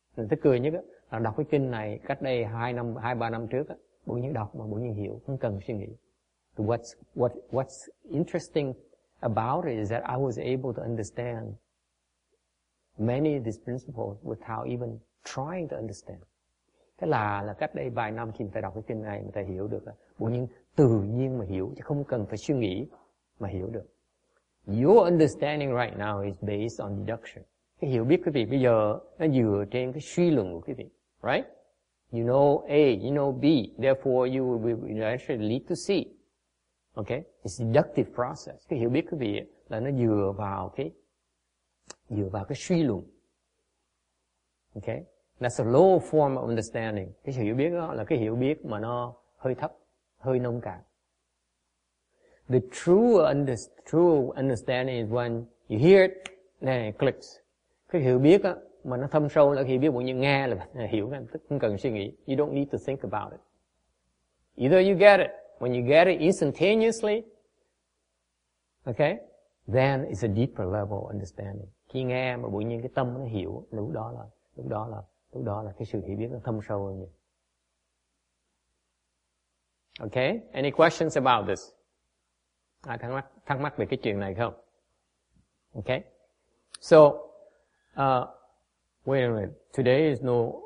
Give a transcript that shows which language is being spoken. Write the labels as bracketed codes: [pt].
[vi] Tức cười nhất là đọc cái kinh này cách đây 2-3 năm trước, bỗng nhiên đọc mà bỗng nhiên hiểu, không cần suy nghĩ. [en] What's interesting about it is that I was able to understand many of these principles without even trying to understand. [vi] Thế là cách đây vài năm khi ta đọc cái kinh này mà ta hiểu được, bỗng nhiên tự nhiên mà hiểu, chứ không cần phải suy nghĩ mà hiểu được. [en] Your understanding right now is based on deduction. [vi] Cái hiểu biết quý vị bây giờ nó dựa trên cái suy luận của quý vị, right? [en] You know A, you know B, therefore you will actually lead to C. Okay? It's a deductive process. [vi] Cái hiểu biết quý vị là nó dựa vào cái suy luận. Okay? [en] That's a low form of understanding. [vi] Cái hiểu biết đó là cái hiểu biết mà nó hơi thấp, hơi nông cạn. [en] The true understanding is when you hear it, then it clicks. [vi] Cái hiểu biết á, mà nó thâm sâu là khi biết bỗng nhiên nghe là hiểu ngay, không cần suy nghĩ. [en] You don't need to think about it. Either you get it, when you get it instantaneously, okay, then it's a deeper level of understanding. [vi] Khi nghe mà bỗng nhiên cái tâm nó hiểu, lúc đó là cái sự hiểu biết nó thâm sâu hơn nhiều. [en] Okay, any questions about this? [vi] Ai thắc mắc về cái chuyện này không? [en] Okay. So, wait a minute. Today is no.